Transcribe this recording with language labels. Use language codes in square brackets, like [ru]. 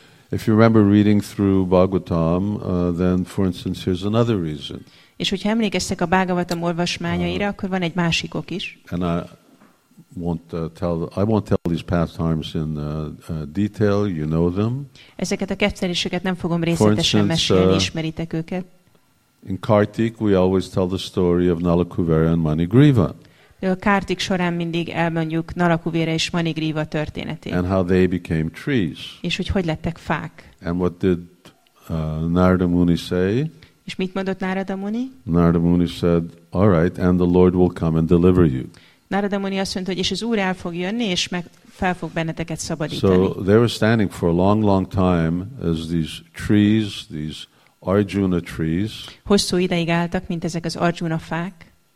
[en] If you remember reading through Bhagavatam, then for instance here's another reason. [hu] És hogyha emlékeztek a Bhagavatam olvasmányaira, akkor van egy másik ok is. [en] And I won't tell these pastimes in detail, you know them. [hu] Ezeket a kettőséget nem fogom részletesen mesélni, ismeritek őket. [en] In Kartik we always tell the story of Nalakuvera and Manigriva. [hu] A Kartik során mindig elmondjuk Nalakuvera és Manigriva történetét. [en] And how they became trees. [hu] És hogy lettek fák. [en] And what did Narada Muni say? [hu] És mit mondott Narada Muni? [en] Narada Muni said, all right, and the Lord will come and deliver you. [hu] Narada Muni azt mondta, hogy és az Úr el fog jönni, és meg fel fog benneteket szabadítani. [en] So they were standing for a long, long time as these trees, these Arjuna trees. [hu] Hosszú ideig álltak, mint ezek az Arjuna fák.